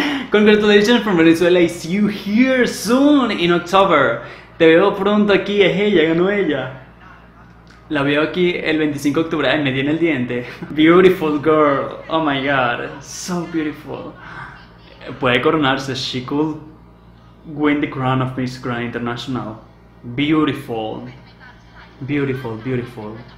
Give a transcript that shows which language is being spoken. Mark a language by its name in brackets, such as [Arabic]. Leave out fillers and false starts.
[English] Congratulations from Venezuela, I see you here soon in October. [Spanish] Te veo pronto aquí, es ella, ganó ella. La veo aquí el 25 de octubre, me tiene el diente. [English] Beautiful girl, oh my god, so beautiful. [Spanish] Puede coronarse, [English] she could win the crown of Miss Grand International. Beautiful, beautiful, beautiful.